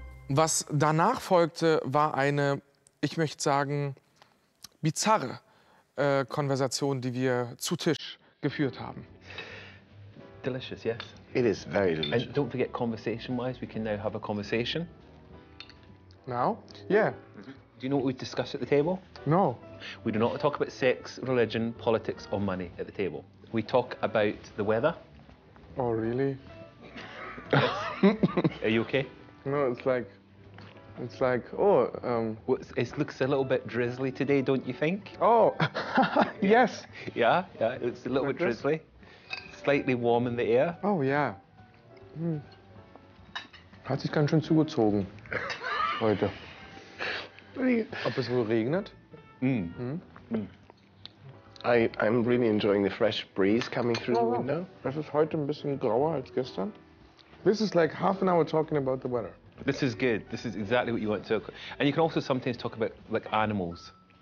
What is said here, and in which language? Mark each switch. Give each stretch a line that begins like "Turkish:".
German: Was danach folgte, war eine, ich möchte sagen, bizarre Konversation, die wir zu Tisch geführt haben.
English: Delicious, yes. It is very delicious. And don't forget, conversation-wise, we can now have a conversation. Now? Yeah. Do you know what we discuss at the table? No. We do not talk about sex, religion, politics, or money at the table. We talk about the weather. Oh, really? Yes. Are you okay? No, it's like, oh. It looks a little bit drizzly today, don't you think? Oh, yes. Yeah, yeah, it looks a little like bit this? Drizzly. Slightly warm in the air. Oh, yeah.
German: Hat sich ganz schön zugezogen. Heute. Ob es wohl regnet?
English: I'm really enjoying the fresh breeze coming through the window.
German: Es ist heute ein bisschen grauer als gestern.
English: This is like half an hour talking about the weather. This is good. This is exactly what you want to talk about. And you can also sometimes talk about like animals.